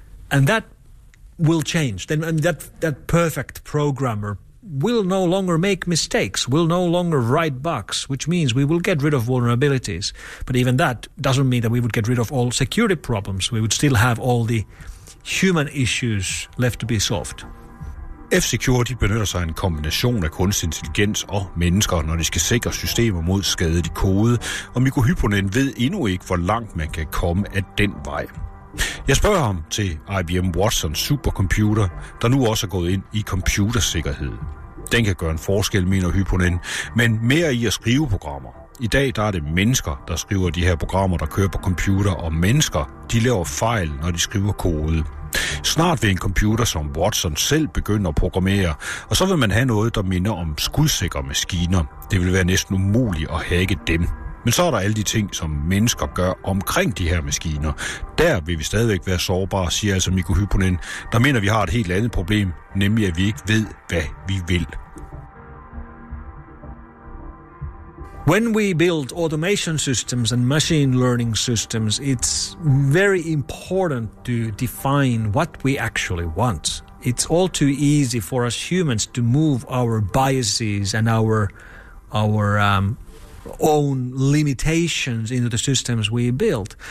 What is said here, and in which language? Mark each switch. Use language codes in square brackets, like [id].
[en] And that will change. Then, and that perfect programmer will no longer make mistakes, will no longer write bugs, which means we will get rid of vulnerabilities. But even that doesn't mean that we would get rid of all security problems. We would still have all the human issues left to be solved. [da] F-Security benytter sig en kombination af kunstig intelligens og mennesker, når de skal sikre systemer mod skadet i kode, og Mikko Hyponen ved endnu ikke, hvor langt man kan komme af den vej. Jeg spørger ham til IBM Watsons supercomputer, der nu også er gået ind i computersikkerhed. Den kan gøre en forskel, mener Hyponen, men mere i at skrive programmer. I dag der er det mennesker, der skriver de her programmer, der kører på computer, og mennesker de laver fejl, når de skriver kode. Snart vil en computer som Watson selv begynde at programmere, og så vil man have noget, der minder om skudsikre maskiner. Det vil være næsten umuligt at hacke dem. Men så er der alle de ting, som mennesker gør omkring de her maskiner. Der vil vi stadigvæk være sårbare, siger altså Mikko Hyponen. Der mener vi har et helt andet problem, nemlig at vi ikke ved, hvad vi vil. [en] When we build automation systems and machine learning systems, it's very important to define what we actually want. It's all too easy for us humans to move our biases and our own limitations into the systems we build.